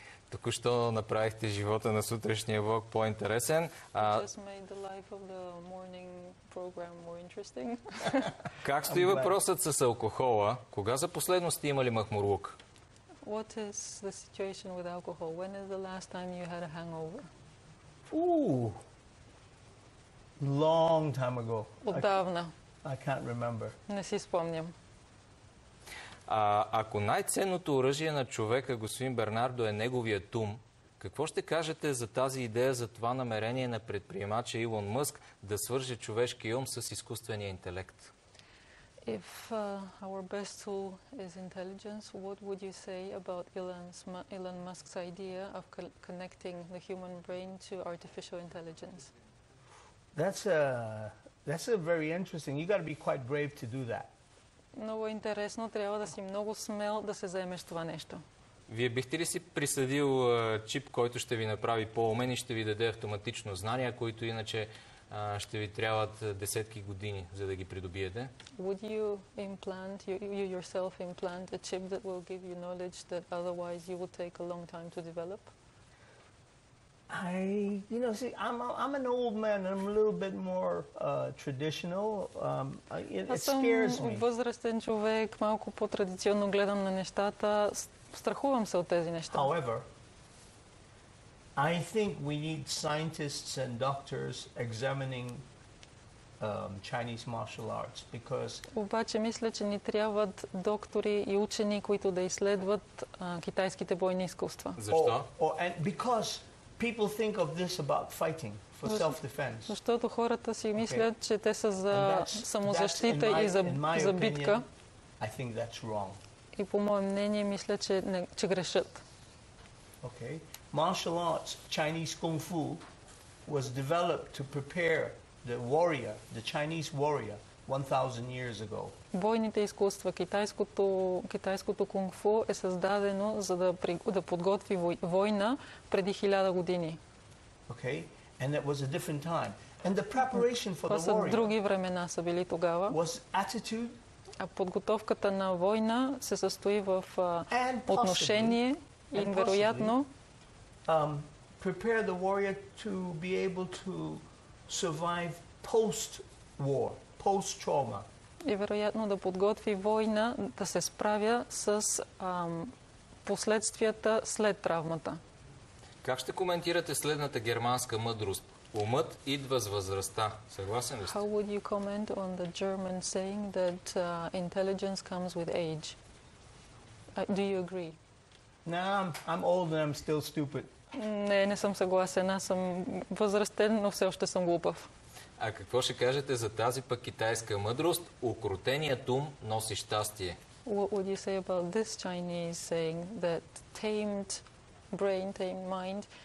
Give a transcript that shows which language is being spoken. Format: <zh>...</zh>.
<bg>Току-що направихте живота на сутрешния блог по-интересен.</bg> <en>Just made the life of the morning program more interesting.</en> <bg>Как стои въпросът с алкохола? Кога за последно сте имали махмурлук?</bg> <en>What is the situation with alcohol? When is the last time you had a hangover? Long time ago.</en> <bg>Отдавна.</bg> <en>I can't remember.</en> <bg>Не си спомням. Ако най-ценното оръжие на човека, господин Бернардо, е неговият ум, какво ще кажете за тази идея, за това намерение на предприемача Илон Мъск да свърже човешкия ум с изкуствения интелект?</bg> <en>If our best tool is intelligence, what would you say about Elon Musk's idea of connecting the human brain to artificial intelligence? That's a very interesting. You got to be quite brave to do that.</en> <bg>Много интересно, трябва да си много смел да се заемеш това нещо. Вие бихте ли си присъдил чип, който ще ви направи по-умен и ще ви даде автоматично знания, които иначе ще ви трябват десетки години, за да ги придобиете?</bg> <en>Would you implant you yourself implant a chip that will give you knowledge that otherwise you would take a long time to develop? I'm an old man and I'm a little bit more traditional. It scares me.</en> <bg>Възрастен човек, малко по-традиционно гледам на нещата. Страхувам се от тези неща.</bg> <en>However, I think we need scientists and doctors examining Chinese martial arts because</en> <bg>обаче мисля, че ни трябват доктори и учени, които да изследват китайските бойни изкуства. Защо?</bg> <en>And because people think of this about fighting for self-defense.</en> <bg>Защото хората си мислят, че те са за самозащита и за битка.</bg> <en>I think that's wrong.</en> <bg>И по мое мнение мисля, че грешат.</bg> <en>Okay. Martial arts, Chinese kung fu, was developed to prepare the warrior, the Chinese warrior, 1,000 years ago.</en> <bg>Бойните изкуства, китайското кунг фу е създадено за да подготви война преди 1000 години.</bg> <en>Okay, and that was a different time. And the preparation for the warrior.</en> <bg>Това са други времена са били тогава.</bg> <en>Was attitude.</en> <bg>А подготовката на война се състои в отношение и вероятно.</bg> <en>Prepare the warrior to be able to survive post-war, post-trauma.</en> <bg>И вероятно да подготви война, да се справя с последствията след травмата. Как ще коментирате следната германска мъдрост? Умът идва с възрастта. Съгласен ли сте?</bg> <en>How would you comment on the German saying that intelligence comes with age? Do you agree? No, I'm old and I'm still stupid.</en> <bg>Не съм съгласен. Аз съм възрастен, но все още съм глупав. А какво ще кажете за тази пък китайска мъдрост? Укротеният ум носи щастие.</bg> <en>What would you say about this Chinese saying that tamed brain, tamed mind</en>